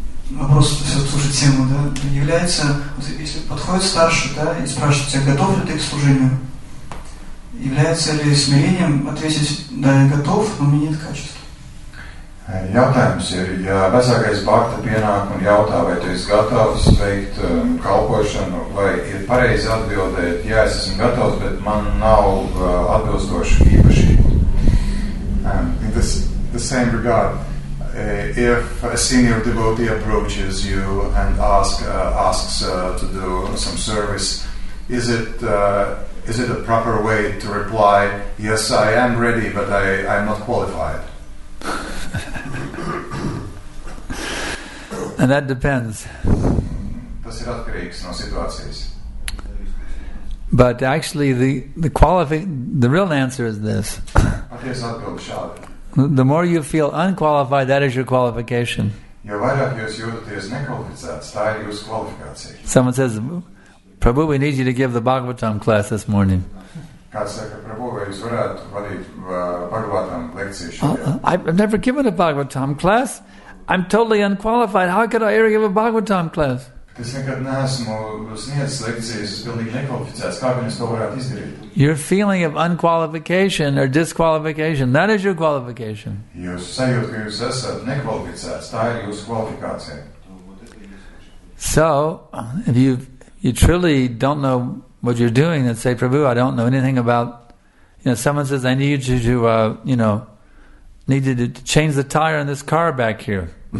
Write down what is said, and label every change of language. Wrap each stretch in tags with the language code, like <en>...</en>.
<ru>Вопрос, то есть, вот, служить тему, да, является, вот, если подходит старший, да, и спрашивает тебя, готов ли ты к служению, является ли смирением ответить, да, я готов, но у меня нет качества?</ru> <lv>Jautājums ir, ja vecākais bhakti pienāk un jautā, vai tu esi gatavs veikt kalpošanu, vai ir pareizi atbildēt, ja es esmu gatavs, bet man nav atbilstošu īpašību.</lv> <en>In the same regard, if a senior devotee approaches you and asks to do some service, is it a proper way to reply, yes, I am ready, but I'm not qualified? And that depends.</en> <lv>Tas ir atkarīgs no situācijas.</lv> <en>But actually, the real answer is this.</en> <lv>Paties atbildi šādi.</lv> <en>The more you feel unqualified, that is your qualification.</en> <lv>Jo vairāk jūs jūtaties nekvalificēts, tā ir jūsu kvalifikācija.</lv> <en>Someone says, Prabhu, we need you to give the Bhagavatam class this morning.</en> <lv>Kāds saka, Prabhu, vai jūs varētu vadīt Bhagavatam lekciju šodien?</lv> <en>I've never given a Bhagavatam class. I'm totally unqualified. How could I ever give a Bhagavatam class?</en> <lv>Es nekad neesmu sniedzis lekcijas, es pilnīgi nekvalificēts. Kā gan es to varētu izdarīt?</lv> <en>Your feeling of unqualification or disqualification, that is your qualification.</en> <lv>Jūs sajūt, ka jūs esat nekvalificēts, tā ir jūsu kvalifikācija.</lv> <en>So, if you truly don't know what you're doing, then say, Prabhu, I don't know anything about, you know, someone says, I need you to, you know, need to change the tire on this car back here.</en>